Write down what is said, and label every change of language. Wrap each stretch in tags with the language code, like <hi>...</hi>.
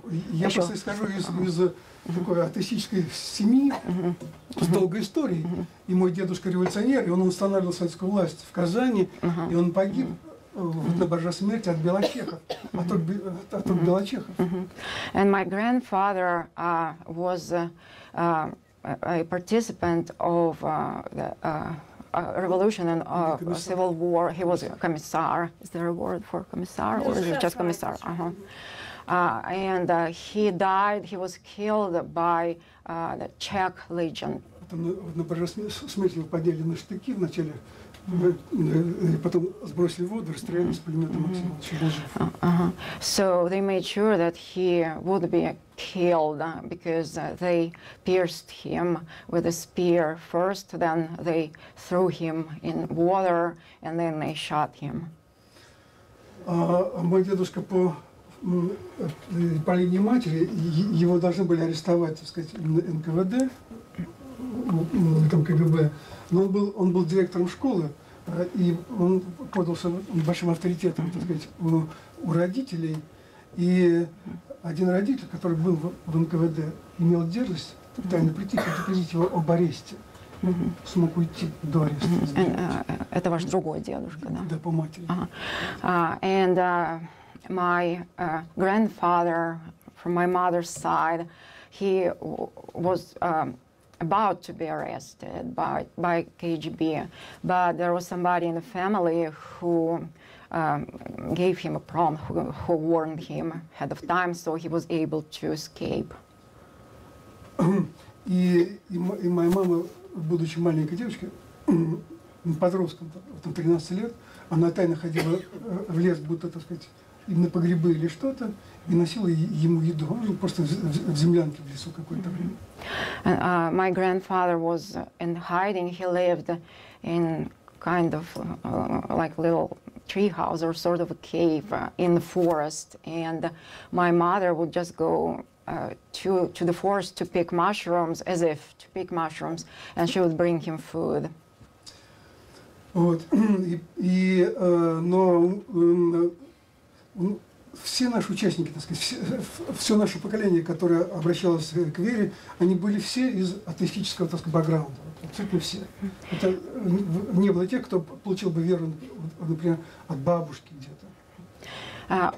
<ru>Я просто скажу из такой атеистической семьи с долгой историей. И мой дедушка революционер, и он устанавливал советскую власть в Казани, и он погиб на Боже смерти от белочехов, от рук белочехов.</ru> <en>And my grandfather was a participant of the revolution and civil war. He was a commissar. Is there a word for commissar, or is it just commissar? And he died. He was killed by the Czech Legion.</en> <ru>На Божественную смерть его подняли на штыки вначале, и потом сбросили в воду, расстреляли с пулемета Максимова, еще был жив.</ru> <en>So they made sure that he would be killed, because they pierced him with a spear first, then they threw him in water, and then they shot him.</en> <ru>Мой дедушка по линии матери, его должны были арестовать, так сказать, НКВД, там КГБ, но он был директором школы, и он пользовался большим авторитетом, так сказать, у родителей. И один родитель, который был в НКВД, имел дерзость тайно прийти, предупредить его об аресте. Смог уйти до ареста. Это ваш другой дедушка, да? Да, по матери.</ru> <en>And my grandfather, from my mother's side, he was about to be arrested by KGB, but there was somebody in the family who gave him a prompt, who warned him ahead of time, so he was able to escape.</en> <ru>И моя мама, будучи маленькой девочкой, подростком, там 13 лет, она тайно ходила в лес, будто, так сказать, или на погребы или что-то, и носила ему еду, просто в землянке в лесу какое-то время.</ru> <en>My grandfather was in hiding. He lived in kind of like little treehouse or sort of a cave in the forest. And my mother would just go to the forest to pick mushrooms, as if to pick mushrooms, and she would bring him food.</en> <ru>Вот. И, но все наши участники, так сказать, все наше поколение, которое обращалось к вере, они были все из атеистического, так сказать, бэкграунда. Абсолютно все. Это не было тех, кто получил бы веру, например, от бабушки где-то.</ru>